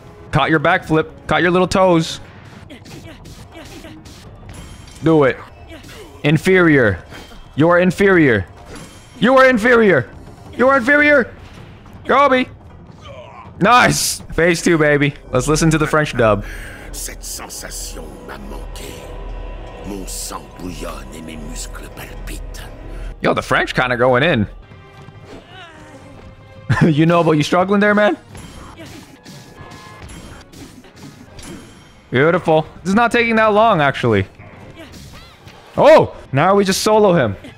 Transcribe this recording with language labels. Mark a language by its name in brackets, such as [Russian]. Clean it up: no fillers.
[English] Caught your backflip. Caught your little toes. Do it. Inferior. You are inferior. You are inferior. You are inferior. Gobi. Nice. Phase two, baby. Let's listen to the French dub. [French] Cette sensation m'a manqué. Mon sang bouillonne et mes muscles palpitent. [English] Yo, the French kind of going in. You know, but you struggling there, man? Beautiful. This is not taking that long, actually. Oh, now we just solo him.